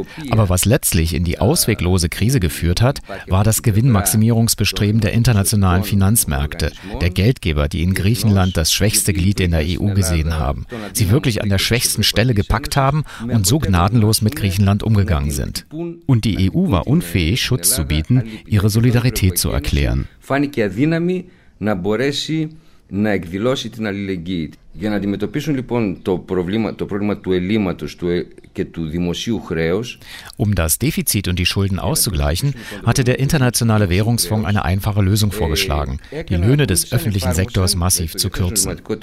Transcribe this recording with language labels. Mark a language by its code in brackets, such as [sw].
[de] aber was letztlich in die ausweglose Krise geführt hat, war das Gewinnmaximierungsbestreben der internationalen Finanzmärkte, der Geldgeber, die in Griechenland das schwächste Glied in der EU gesehen haben, sie wirklich an der schwächsten Stelle gepackt haben und so gnadenlos mit Griechenland umgegangen sind. Und die EU war unfähig, Schutz zu bieten, ihre Solidarität zu erklären. [el] Να εκδηλώσει την αλληλεγγύη. Για να αντιμετωπίσουν λοιπόν το πρόβλημα του ελλείμματος και του δημοσίου χρέους. [de] Um das Defizit und die Schulden auszugleichen, hatte der Internationale Währungsfonds eine einfache Lösung vorgeschlagen, die Löhne des öffentlichen Sektors massiv zu kürzen.